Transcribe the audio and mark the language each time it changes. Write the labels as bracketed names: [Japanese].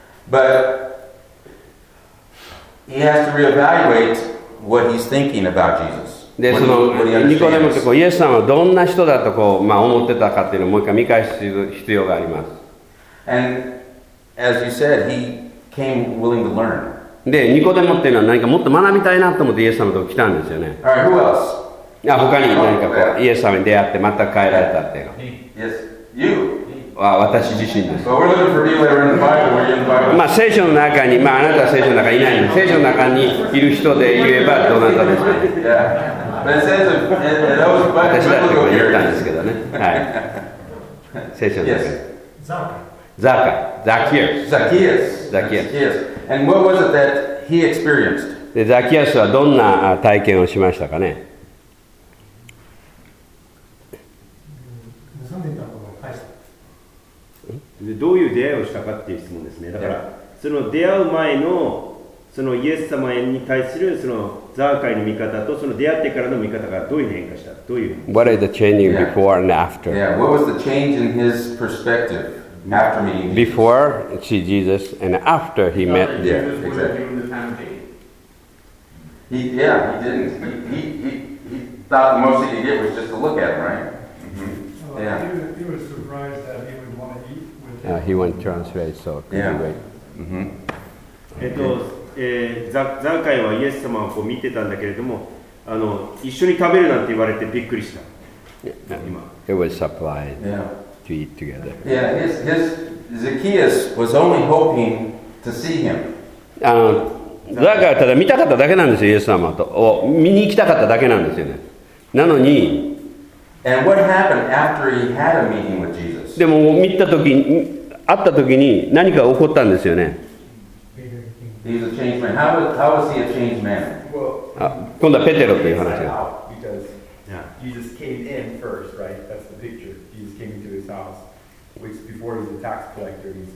[English] But he has to reevaluate what he's thinking about Jesus. [Japanese] で、その、ニコデモってこう、イエス様はどんな人だとこう、まあ、思ってたかっていうのをもう一回見返す必要があります。 [English] And as you said, he came willing to learn. [Japanese] で、ニコデモっていうのは何かもっと学びたいなと思ってイエス様のとこ来たんですよね。 [English] All right, who else? [Japanese] あ、他に何かこう、イエス様に出会って全く変えられたっていうの。 [English] Yes, you. [Japanese] 私自身です。まあ聖書の中に、まああなたは聖書の中にいないので、聖書の中にいる人で言えばどうなったんですかね。私だってこう言ったんですけどね。はい。聖書の中に。ザカ。ザキアス。ザキアス。ザキアス。 [English] And what was it that he experienced? [Japanese] ザキアスはどんな体験をしましたかね。でどういう出会いをしたかっていう質問ですね。だから、その出会う前の、そのイエス様に対するそのザーカイの見方と、その出会ってからの見方がどういう変化した？どういう [English] What is the change before and after? Yeah, what was the change in his perspective after meeting Jesus? Before he met Jesus and after he met Jesus. Yeah, exactly. He didn't. He thought the most he could get was just to look at him, right? Yeah. He was surprised that he would want to eat. He went translate, so could you wait? [Japanese] ザーカイはイエス様をこう見てたんだけれども、一緒に食べるなんて言われてびっくりした。 [English] He was surprised to eat together. Yeah, his Zacchaeus was only hoping to see him. [Japanese] ザーカイはただ見たかっただけなんですよ、イエス様と。を見に行きたかっただけなんですよね。なのに、 [English] And what happened after he had a meeting with Jesus? [Japanese] でも見たとき、会ったときに何か起こったんですよね。 [English] He's a changed man. How was he a changed man? Well, [Japanese] 今度はペテロという話が。 [English] Because Jesus came in first, right? That's the picture. Jesus came into his house, which before he was a tax collector.